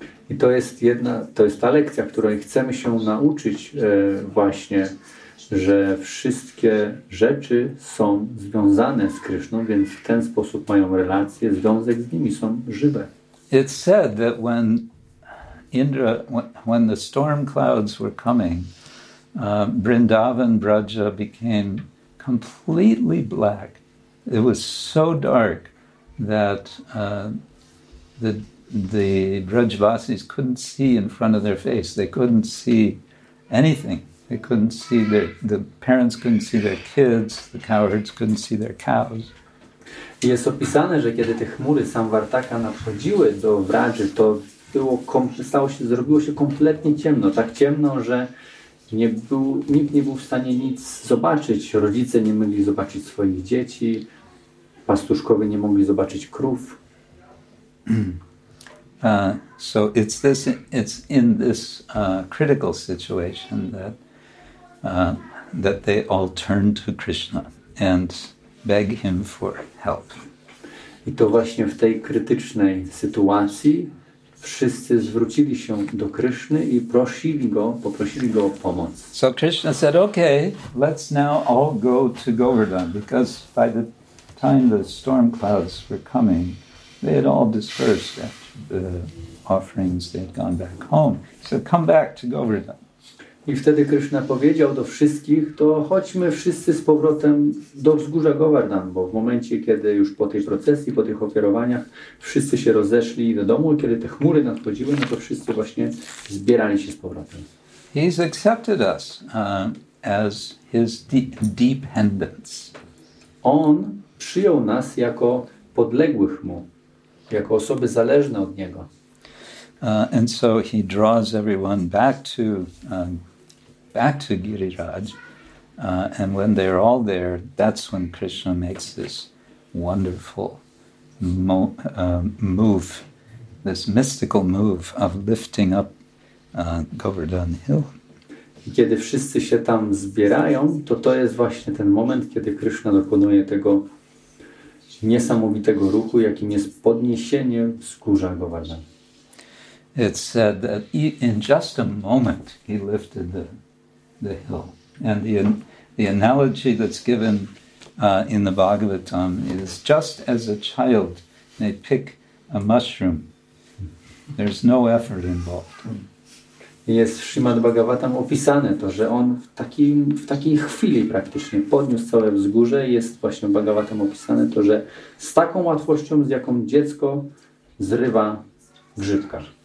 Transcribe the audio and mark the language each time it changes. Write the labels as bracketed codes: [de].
[pl] I to jest jedna, to jest ta lekcja, której chcemy się nauczyć właśnie, że wszystkie rzeczy są związane z Kryszną, więc w ten sposób mają relacje, związek z nimi, są żywe. [en] It's said that when Indra, when the storm clouds were coming, Vrindavan Braja became completely black. It was so dark that the Brajvasis couldn't see in front of their face. They couldn't see anything. They couldn't see the parents couldn't see their kids, the cowherds couldn't see their cows. [pl] Jest opisane, że kiedy te chmury Samvartaka nadchodziły do Wraży, to zrobiło się kompletnie ciemno. Tak ciemno, że nikt nie był w stanie nic zobaczyć. Rodzice nie mogli zobaczyć swoich dzieci. Pastuszkowie nie mogli zobaczyć krów. [en] So it's in this critical situation that they all turn to Krishna and beg him for help. [pl] I to właśnie w tej krytycznej sytuacji wszyscy zwrócili się do Kryszny i poprosili go o pomoc. [en] So Krishna said, okay, let's now all go to Govardhan, because by the time the storm clouds were coming, they had all dispersed after the offerings, they had gone back home. So come back to Govardhan. [pl] I wtedy Krishna powiedział do wszystkich, to chodźmy wszyscy z powrotem do wzgórza Govardhan, bo w momencie, kiedy już po tej procesji, po tych ofiarowaniach wszyscy się rozeszli do domu, kiedy te chmury nadchodziły, no to wszyscy właśnie zbierali się z powrotem. [en] He's accepted us as his dependents. [pl] On przyjął nas jako podległych mu, jako osoby zależne od niego. [en] And so he draws everyone back to Giriraj, and when they're all there, that's when Krishna makes this wonderful move, this mystical move of lifting up Govardhan Hill. [pl] Kiedy wszyscy się tam zbierają, to jest właśnie ten moment, kiedy Krishna dokonuje tego niesamowitego ruchu, jakim jest podniesienie wzgórza Govardhan. [en] It's said that in just a moment he lifted the hill. And the analogy that's given in the Bhagavatam is just as a child may pick a mushroom. There's no effort involved. [pl] Jest w Śrimad Bhagavatam opisane to, że on w takiej chwili praktycznie podniósł całe wzgórze. Jest właśnie w Bhagavatam opisane to, że z taką łatwością, z jaką dziecko zrywa grzybka.